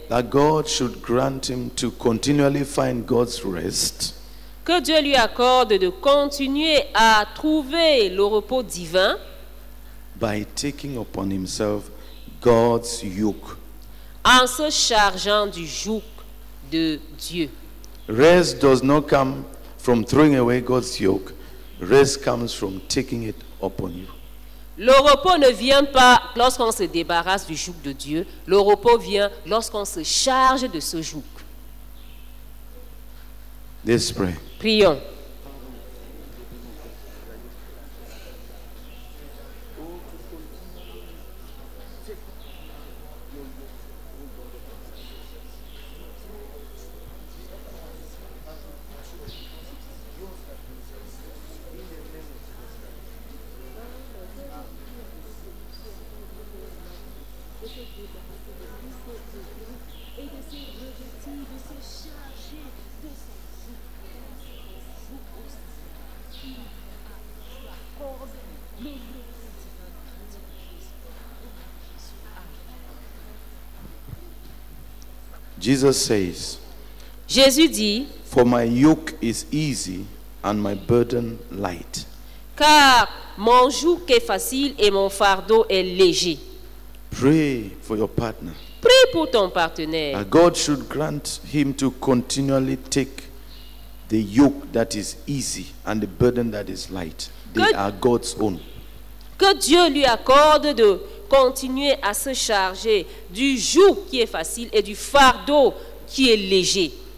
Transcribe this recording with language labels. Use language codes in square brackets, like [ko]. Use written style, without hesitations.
[en] That God should grant him to continually find God's rest. [fr] Que Dieu lui accorde de continuer à trouver le repos divin. [en] By taking upon himself God's yoke. [fr] En se chargeant du joug de Dieu. [en] Rest does not come from throwing away God's yoke. Rest comes from taking it upon you. [fr] Le repos ne vient pas lorsqu'on se débarrasse du joug de Dieu. Le repos vient lorsqu'on se charge de ce joug. [en] Let's pray. [fr] Prions. Et de se charger de son souffle. [en] Jesus says, [fr] Jésus dit, [en] For my yoke is easy and my burden light. [fr] Car mon joug est facile et mon fardeau est léger. [en] Pray for your partner. [fr] Prie pour ton partenaire. [en] God should grant him to continually take the yoke that is easy and the burden that is light. They are God's own. [fr] Que Dieu lui accorde de continuer à se charger du joug qui est facile et du fardeau qui est léger.